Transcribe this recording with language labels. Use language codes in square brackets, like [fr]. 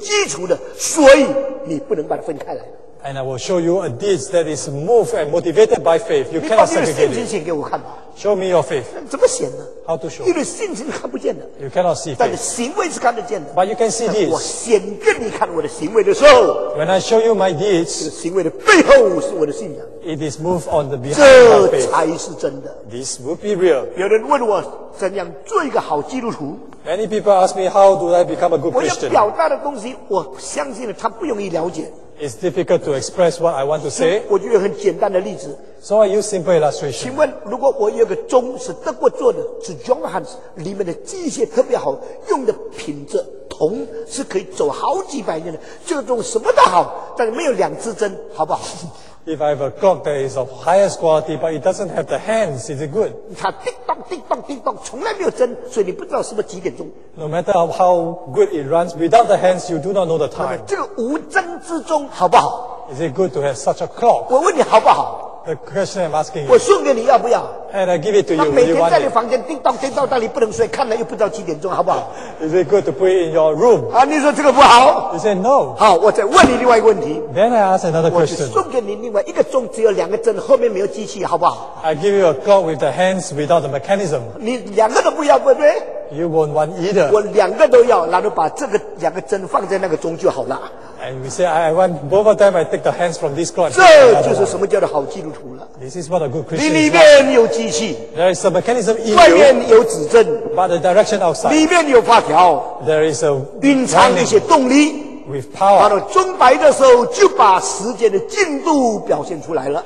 [zh] 我要讲的行为是背后有信心做基础的，所以你不能把它分开来。 [en] And I will show you a deed that is moved and motivated by faith. You cannot segregate it. [zh] 你把你的信心写给我看吧。 [en] Show me your faith. [zh] 怎么写呢？ [en] How to show? [zh] 因为信心看不见的。 [en] You cannot see faith. [zh] 但是行为是看得见的。 [en] But you can see deeds. [zh] 我显给你看我的行为的时候。 [en] When I show you my deeds. [zh] 这个行为的背后是我的信仰。 [en] It is moved on the behalf of faith. This would be real. [zh] 有人问我怎样做一个好基督徒? [en] Many people ask me, how do I become a good Christian? [zh] 我要表达的东西, 我相信他不容易了解。 [en] It's difficult to express what I want to say. [zh] 我就有很简单的例子。 [en] So I use simple illustration. [zh] 请问如果我有个钟是德国做的, 是 Johannes, 里面的机械特别好, 用的品质, 铜是可以走好几百年的, 这个钟什么都好, 但是没有两支针, 好不好? [en] If I have a clock that is of highest quality, but it doesn't have the hands, is it good? [zh] 它叮当叮当叮当，从来没有针，所以你不知道是不是几点钟。 [en] No matter how good it runs, without the hands, you do not know the time. [zh] 这个无针之钟好不好？ [en] Is it good to have such a clock? [zh] 我问你好不好？ [en] The question I'm asking you. [zh] 我送给你要不要？ [en] And I give it to you. [zh] 那每天在你房间叮当叮当，但你不能睡，看了又不知道几点钟，好不好？ [en] Is it good to put it in your room? [zh] 啊，你说这个不好？ [en] You say no. [zh] 好，我再问你另外一个问题。 [en] Then I ask another question. [zh] 我送给你另外一个钟，只有两个针，后面没有机器，好不好？ [en] I give you a clock with the hands without the mechanism. [zh] 你两个都不要，对不对？ [en] You won't want either. [zh] 我两个都要，然后把这个两个针放在那个钟就好了。 [en] And we say, I want both of them, I take the hands from this cross. [zh] 这就是什么叫做好基督徒了。 [en] This is what a good Christian [zh] 里面有机器, [en] is. There is a mechanism in [zh] 外面有指针, [en] you, but the direction outside. [zh] 里面有发条, [en] there is a [zh] 隐藏一些动力, [en] with power. [zh] 然后钟摆的时候就把时间的进度表现出来了。